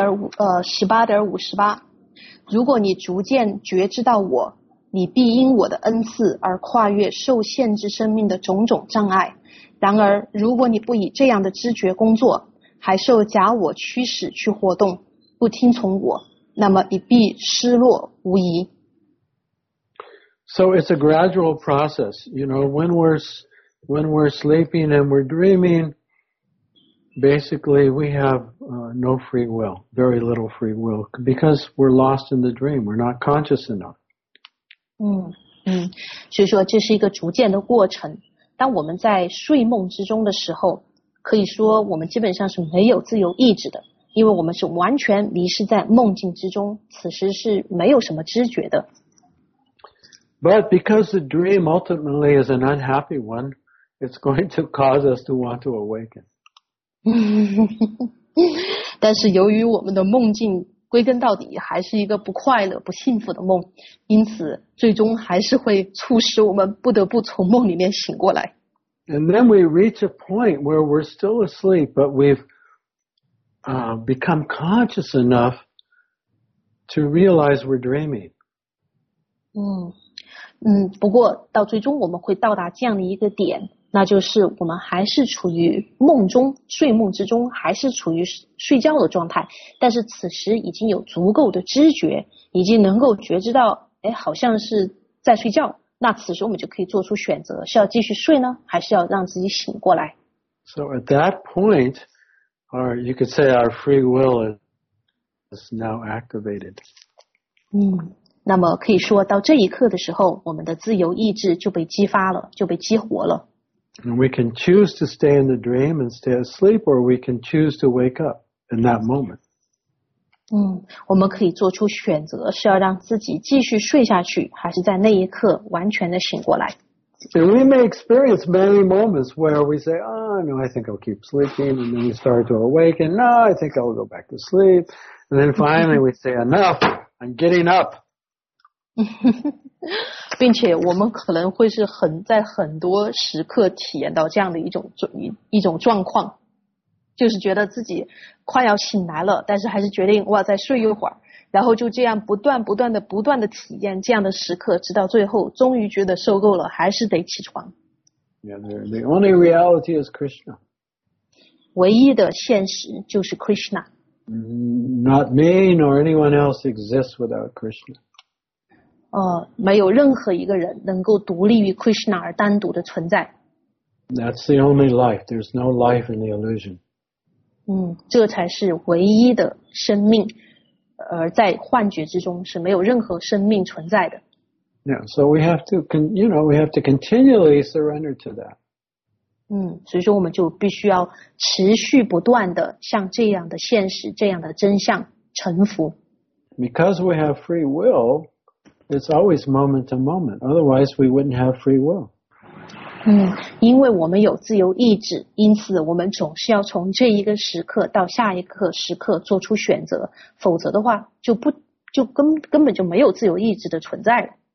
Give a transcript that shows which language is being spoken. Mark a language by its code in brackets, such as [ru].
[zh] 18.58 如果你逐渐觉知到我，你必因我的恩赐而跨越受限制生命的种种障碍。然而，如果你不以这样的知觉工作，还受假我驱使去活动，不听从我，那么你必失落无疑。 [en] So it's a gradual process. You know, when we're sleeping and we're dreaming, basically we have no free will, very little free will, because we're lost in the dream, we're not conscious enough. [zh] 所以说这是一个逐渐的过程。当我们在睡梦之中的时候，可以说我们基本上是没有自由意志的，因为我们是完全迷失在梦境之中，此时是没有什么知觉的。 [en] But because the dream ultimately is an unhappy one,It's going to cause us to want to awaken. [zh] 但是由于我们的梦境归根到底还是一个不快乐、不幸福的梦，因此最终还是会促使我们不得不从梦里面醒过来。 [en] And then we reach a point where we're still asleep, but we've become conscious enough to realize we're dreaming. [zh] 不过到最终我们会到达这样的一个点。那就是我们还是处于梦中睡梦之中还是处于睡觉的状态但是此时已经有足够的知觉已经能够觉知到哎，好像是在睡觉那此时我们就可以做出选择是要继续睡呢还是要让自己醒过来 [en] So at that point or you could say our free will is now activated [zh] 那么可以说到这一刻的时候我们的自由意志就被激发了就被激活了 [en] And we can choose to stay in the dream and stay asleep, or we can choose to wake up in that moment. [zh] 我们可以做出选择，是要让自己继续睡下去，还是在那一刻完全的醒过来。 [en] And we may experience many moments where we say, oh, no, I think I'll keep sleeping, and then we start to awaken, no, I think I'll go back to sleep. And then finally we say, enough, I'm getting up. [zh] 并且我们可能会是很在很多时刻体验到这样的一种状况就是觉得自己快要醒来了但是还是决定我要再睡一会儿然后就这样不断的体验这样的时刻直到最后终于觉得受够了还是得起床 [en] yeah, the only reality is Krishna [zh] 唯一的现实就是 Krishna [en] not me nor anyone else exists without Krishna [zh] 没有任何一个人能够独立于 Krishna 而单独的存在。 [en] That's the only life. There's no life in the illusion. [zh] 这才是唯一的生命，而在幻觉之中是没有任何生命存在的。 [en] Yeah, so we have to, you know, we have to continually surrender to that. [zh] 所以说我们就必须要持续不断的向这样的现实、这样的真相臣服。 [en] Because we have free will,It's always moment to moment. Otherwise, we wouldn't have free will. [zh] 因为我们有自由意志，因此我们总是要从这一个时刻到下一个时刻做出选择，否则的话就根本就没有自由意志的存在了。